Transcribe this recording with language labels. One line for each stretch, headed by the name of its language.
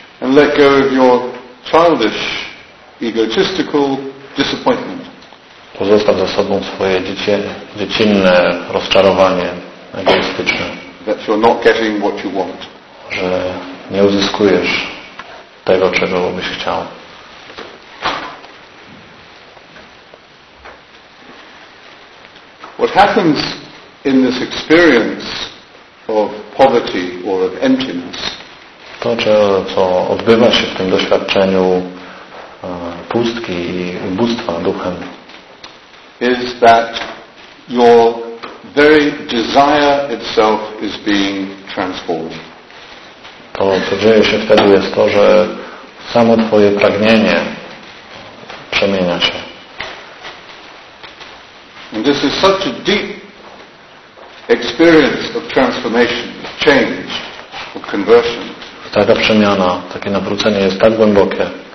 English: And let go of your childish, egotistical disappointment.
Polish: Pozostaw za sobą swoje dziecinne rozczarowanie egoistyczne.
English: That you're not getting what you want.
Polish: Że nie uzyskujesz tego, czego byś chciał.
English: What happens in this experience of poverty or of emptiness?
Polish: To, co odbywa się w tym doświadczeniu pustki i ubóstwa duchem,
English: is that your very desire itself is being transformed.
Polish: To, co dzieje się wtedy, jest to, że samo twoje pragnienie przemienia się.
English: And this is such a deep experience of transformation, of change, of conversion.
Polish: Taka przemiana, takie nawrócenie jest tak głębokie.